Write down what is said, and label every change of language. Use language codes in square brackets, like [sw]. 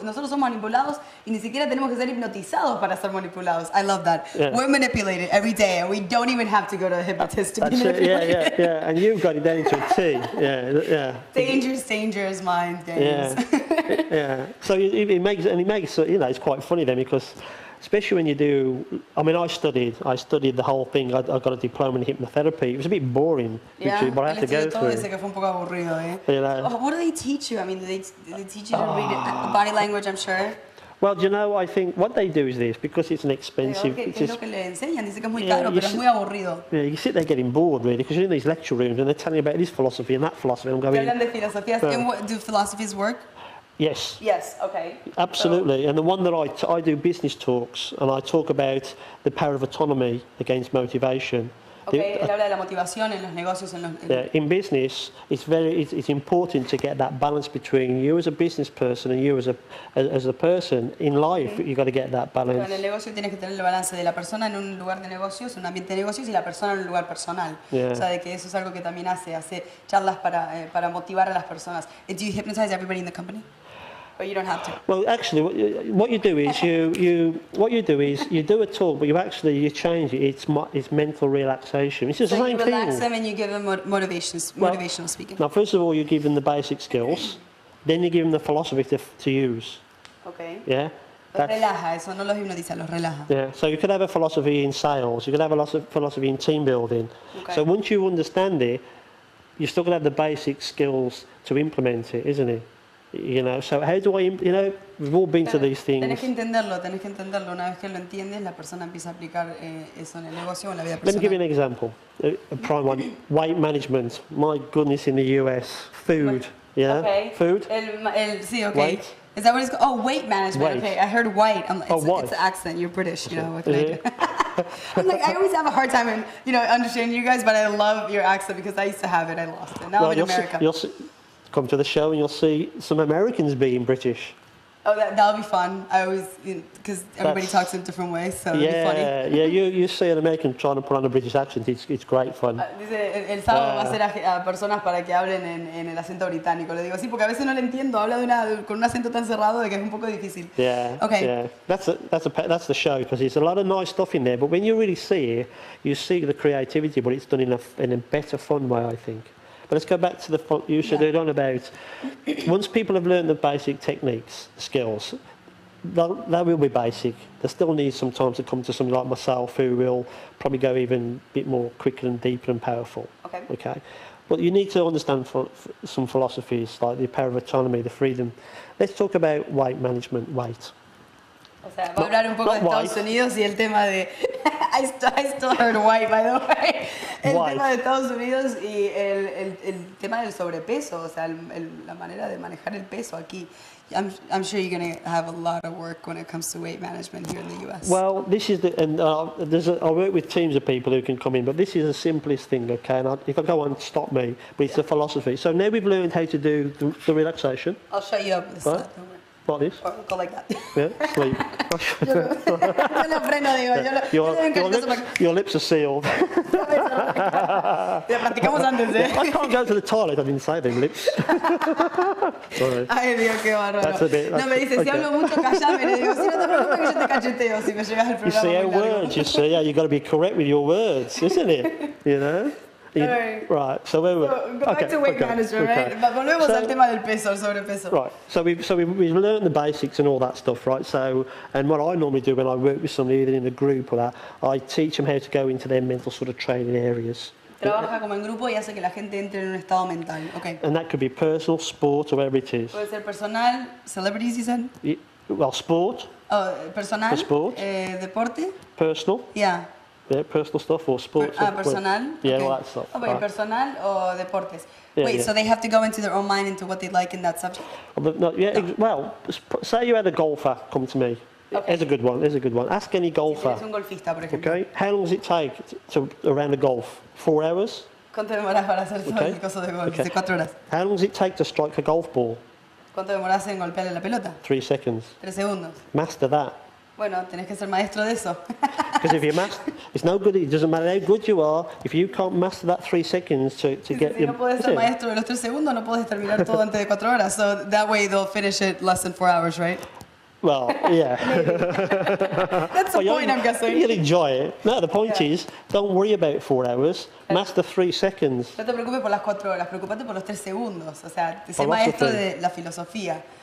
[es] Nosotros somos manipulados y ni siquiera tenemos que ser hipnotizados para ser manipulados. [en] I love that. Yeah. We're manipulated every day, and we don't even have to go to a hypnotist to be manipulated. Yeah. And you've got it down into a T. Dangerous mind games. Yeah. So it makes you know, it's quite funny then, because especially when you do, I mean, I studied the whole thing. I got a diploma in hypnotherapy. It was a bit boring, yeah, but I had to go through. Yeah, you know. What do they teach you? I mean, they teach you to read body language, I'm sure. Well, do you know, I think what they do is this, because it's an expensive... You sit there getting bored, really, because you're in these lecture rooms and they're telling you about this philosophy and that philosophy. I'm going... Do philosophies work? Yes. Yes, okay. Absolutely. So. And the one that I do business talks, and I talk about the power of autonomy against motivation. [es] Okay, él habla de la motivación en los negocios. [en] In business, it's important to get that balance between you as a business person and you as a person. In life, okay. You've got to get that balance. [es] En el negocio tienes que tener el balance de la persona en un lugar de negocios, un ambiente de negocios, y la persona en un lugar personal. [en] Yeah. [es] O sea, de que eso es algo que también hace charlas para motivar a las personas. [en] Do you hypnotize everybody in the company? But you don't have to. Well, actually, what you do is you do a talk, but you change it. It's mental relaxation. It's the same thing. You relax them and you give them motivational speaking. Now, first of all, you give them the basic skills. Then you give them the philosophy to use. Okay. Yeah? [es] Relaja, eso no los hipnotiza, los relaja. [en] Yeah, so you could have a philosophy in sales. You could have a lot of philosophy in team building. Okay. So once you understand it, you're still going to have the basic skills to implement it, isn't it? You know, so how do I, you know, we've all been [es] pero [en] to these things. [es] Tenés que entenderlo. Una vez que lo entiendes, la persona empieza a aplicar eso en el negocio o en la vida personal. [en] Let me give you an example, a prime one. Weight management. My goodness, in the US, food. Yeah. Okay. Food. [es] Sí, [en] okay. Weight. Is that what it's called? Oh, weight management. Weight. Okay, I heard white. White. It's an accent. You're British, you know. Okay. I always have a hard time, you know, understanding you guys, but I love your accent because I used to have it. I lost it. Now I'm in America. Come to the show and you'll see some Americans being British. Oh, that'll be fun. I always, because everybody talks in different ways, so it'll be funny. Yeah, you see an American trying to put on a British accent. It's great fun. [es] Dice, el sábado va a ser a personas para que hablen en el acento británico. Le digo, sí, porque a veces no le entiendo. Habla con un acento tan cerrado de que es un poco difícil. [en] Yeah. Okay. Yeah. That's the show, because there's a lot of nice stuff in there. But when you really see it, you see the creativity, but it's done in a better fun way, I think. But let's go back to the point you said on about once people have learned the basic techniques, skills, that will be basic. They still need some time to come to somebody like myself who will probably go even a bit more quicker and deeper and powerful. Okay. But you need to understand some philosophies like the power of autonomy, the freedom. Let's talk about weight management, weight. [es] O sea, va a hablar un poco de Estados Unidos y el tema de... [en] I still heard white, by the way. [es] El [en] white. [es] Tema de Estados Unidos y el tema del sobrepeso, o sea, la manera de manejar el peso aquí. [en] I'm sure you're going to have a lot of work when it comes to weight management here in the US. Well, this is the, I work with teams of people who can come in, but this is the simplest thing, okay? And if I go on, stop me, but it's a philosophy. So now we've learned how to do the relaxation. I'll show you up this right? Like this? Or go like that. Yeah, sleep. your lips are sealed. I can't go to the toilet, I didn't say them lips. Sorry. [es] Ay, Dios, qué barro. [en] That's a bit... [es] No, me dice, si hablo mucho, callame. Le digo, si no te preocupes, yo te cacheteo si me llegas al programa. [en] You see, you've got to be correct with your words, isn't it? You know? Right, so we're... So we've learned the basics and all that stuff, right? So, and what I normally do when I work with somebody, either in a group or that, I teach them how to go into their mental sort of training areas. [es] Trabaja como en grupo y hace que la gente entre en un estado mental, okay. [en] And that could be personal, sport, or whatever it is. [es] Puede ser personal, [en] celebrities, you said? Well, sport. Oh, personal. For sport. [es] Deporte. [en] Personal. Yeah. Yeah, personal stuff or sports. Personal? Yeah, okay. All that stuff. Okay, right. Personal or deportes? Yeah, wait, yeah. So they have to go into their own mind into what they like in that subject? No, yeah, no. Well, say you had a golfer come to me. Okay. It's a good one. Ask any golfer. [es] Si eres un golfista, por ejemplo. [en] Okay, how long does it take to around the golf? 4 hours? [es] ¿Cuánto demoras para hacer todo el coso de golf? Okay. 4 horas. [en] How long does it take to strike a golf ball? [es] ¿Cuánto demoras en golpear la pelota? [en] 3 seconds. [es] 3 segundos. [en] Master that. [es] Bueno, tenés que ser maestro de eso. [en] Because if you master, it's no good, it doesn't matter how good you are, if you can't master that 3 seconds to get your... [es] Si no puedes ser maestro de los 3 segundos, no puedes terminar todo antes de 4 horas. [en] So that way they'll finish it less than 4 hours, right? Well, yeah. That's the point, I'm guessing. You'll enjoy it. No, the point is, don't worry about 4 hours, master 3 seconds. [es] No te preocupes por las 4 horas, preocupate por los 3 segundos. O sea, ser maestro de la filosofía.